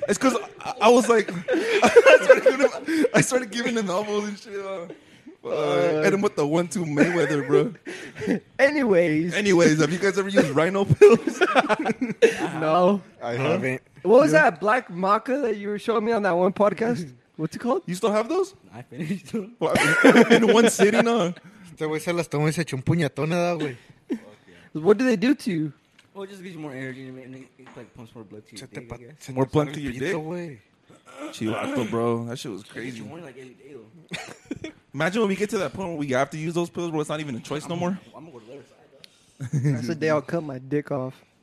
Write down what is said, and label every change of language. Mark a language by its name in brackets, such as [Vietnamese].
[English] It's because I was like, I started giving him elbows and shit. Hit him with the 1-2 Mayweather, bro. Anyways, have you guys ever used rhino pills? No. I haven't. What was that black maca that you were showing me on that one podcast? What's it called? You still have those? I finished them. What, in one sitting, huh? [Spanish] Este güey se las tomó y se echó un puñetón, güey. [English] What do they do to you? Well, it just gives you more energy and it like pumps more blood to your dick, I guess. More blood to your dick? Chivato, bro. That shit was crazy. More like any day, though. Imagine when we get to that point where we have to use those pills, bro. It's not even a choice no more. I'm going to go to the other side, though. That's the day I'll cut my dick off.